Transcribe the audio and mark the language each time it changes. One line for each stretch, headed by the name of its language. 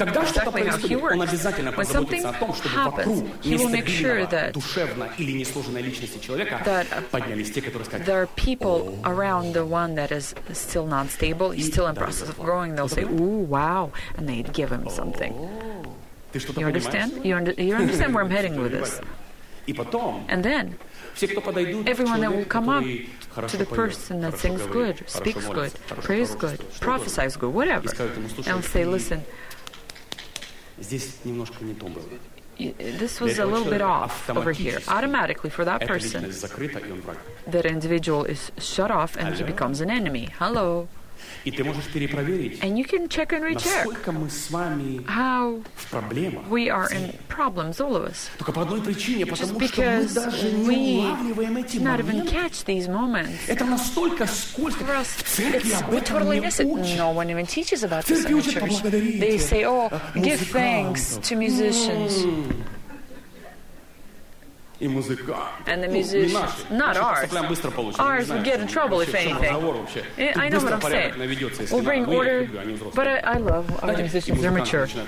English: exactly how he works.
Russian: Он обязательно позаботится о том, чтобы вокруг нестабильного душевно или несложенной личности человека поднялись те, которые скажут.
English: There are people around the one that is still not stable. He's still in process of growing. They'll say, "Ooh, wow," and they'd give him something. You understand? You understand where I'm heading with this? And then, everyone that will come up to the person that sings good, speaks good, prays good, prophesies good, whatever, and say, listen, this was a little bit off over here. Automatically, for that person, that individual is shut off and he becomes an enemy. Hello?
Russian: И ты можешь перепроверить,
English: and you can check and recheck
Russian: насколько мы с вами
English: how
Russian: в проблемах.
English: We are in problems, all of us.
Russian: Только по одной причине, потому что мы даже не улавливаем эти моменты.
English: Not even catch these moments.
Russian: Это настолько скользко.
English: For us, no one even teaches about this in the church. They say, oh, give thanks to musicians.
Russian: И музыка.
English: And the musicians, not ours. Ours would get in trouble, if anything. I know what I'm saying. We'll bring order. But I love our musicians. They're mature.